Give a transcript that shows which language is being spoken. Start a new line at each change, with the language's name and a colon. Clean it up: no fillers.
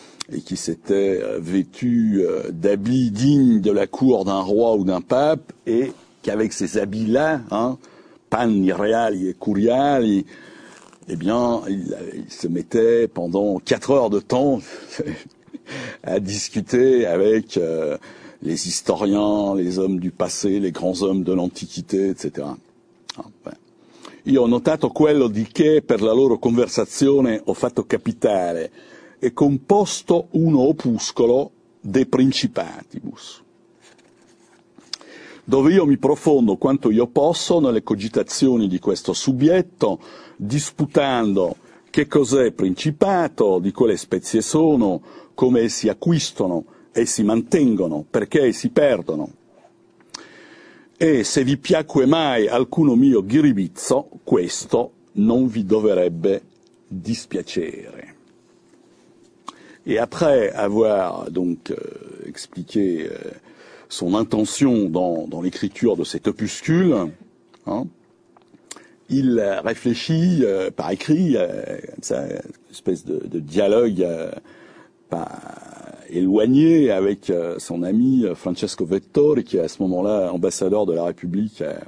French: Et qui s'était vêtu d'habits dignes de la cour d'un roi ou d'un pape, et qu'avec ces habits-là, hein,
Italian: panni reali et curiali,
French: eh bien, il se mettait pendant 4 heures de temps à discuter avec les historiens, les hommes du passé, les grands hommes de l'Antiquité, etc.
Italian: Io ho notato quello di che per la loro conversazione ho fatto capitale e composto uno opuscolo de principatibus. Dove io mi profondo quanto io posso nelle cogitazioni di questo soggetto, disputando che cos'è principato, di quale spezie sono, come si acquistano e si mantengono, perché si perdono. E se vi piacque mai alcuno mio ghiribizzo, questo non vi dovrebbe dispiacere.
French: Et après avoir donc expliqué son intention dans l'écriture de cet opuscule, hein, il réfléchit par écrit, une espèce de dialogue pas éloigné avec son ami Francesco Vettori, qui est à ce moment-là ambassadeur de la République